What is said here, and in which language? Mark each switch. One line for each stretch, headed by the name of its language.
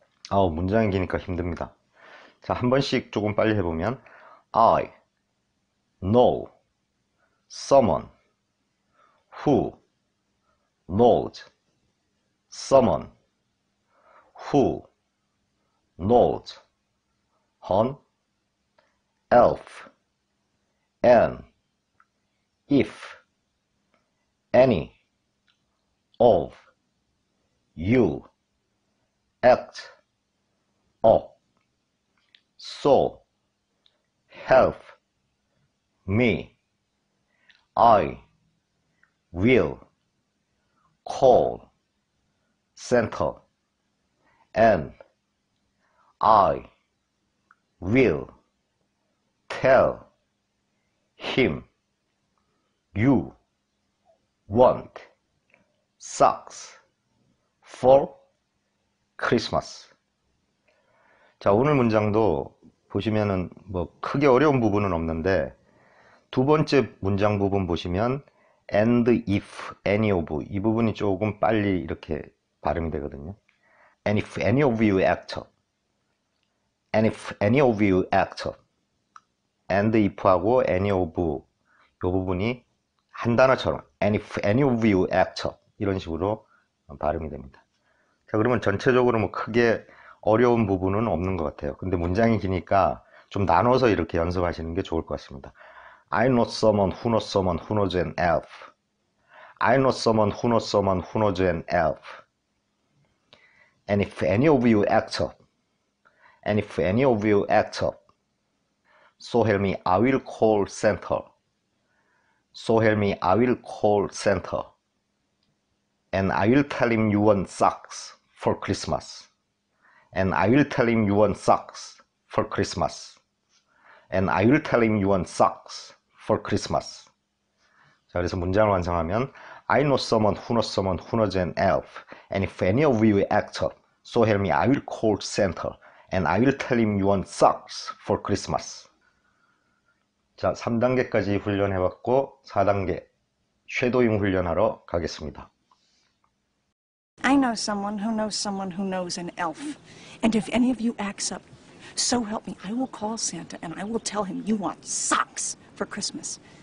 Korean: 아우, 문장이 기니까 힘듭니다. 자, 한 번씩 조금 빨리 해보면,
English: I know someone who knows someone who knows an elf and if any of you act up, so help me, I will call center and I will tell him you want socks for Christmas.
Korean: 자, 오늘 문장도 보시면은 뭐 크게 어려운 부분은 없는데, 두 번째 문장 부분 보시면
English: and if any of,
Korean: 이 부분이 조금 빨리 이렇게 발음이 되거든요.
English: And if any of you act up. And if any of you act up. And if하고 any of
Korean: 이 부분이 한 단어처럼
English: And if any of you act up.
Korean: 이런 식으로 발음이 됩니다. 자, 그러면 전체적으로 뭐 크게 어려운 부분은 없는 것 같아요. 근데 문장이 기니까 좀 나눠서 이렇게 연습하시는 게 좋을 것 같습니다.
English: I know someone who knows someone who knows an elf. I know someone who knows someone who knows an elf. And if any of you act up. And if any of you act up. So help me, I will call center. So help me, I will call center. And I will tell him you want socks for Christmas. And I will tell him you want socks for Christmas. And I will tell him you want socks for Christmas.
Korean: 자, 그래서 문장을 완성하면
English: I know someone who knows someone who knows an elf. And if any of you act up, so help me, I will call Santa. And I will tell him you want socks for Christmas.
Korean: 자, 3단계까지 훈련해봤고 4단계 쉐도잉 훈련하러 가겠습니다.
English: I know someone who knows someone who knows an elf. And if any of you acts up, so help me, I will call Santa and I will tell him you want socks for Christmas.